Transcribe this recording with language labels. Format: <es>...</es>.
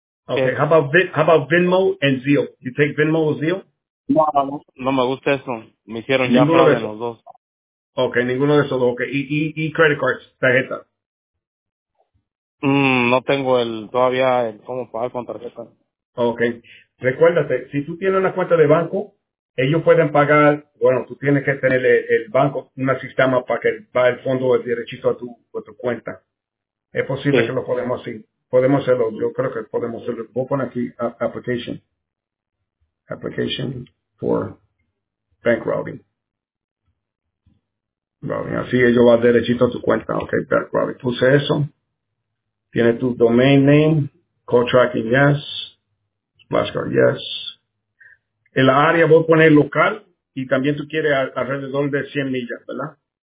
<en>Ok, how about Venmo and Zelle? You take Venmo or Zelle?</en> <es>No me gusta eso. Me hicieron ya para de los dos. Okay, ninguno de esos dos. Okay, y credit cards, tarjeta. No tengo el todavía el cómo pagar con tarjeta. Okay. Recuérdate, si tú tienes una cuenta de banco, ellos pueden pagar, bueno, tú tienes que tener el banco, un sistema para que va el fondo derechito a tu cuenta. Es posible sí. Que lo podemos hacer. Podemos hacerlo, yo creo que podemos hacerlo. Voy a poner aquí application.</es> <en>Application for bank routing. Routing.</en> <es>Así ellos van derechito a tu cuenta. Ok,</es> <en>bank routing.</en> <es>Puse eso. Tiene tu domain name.</es> <en>Call tracking, yes. Flashcard, yes.</en> <es>En la área voy a poner local y también tú quieres alrededor de 100 millas, ¿verdad?</es>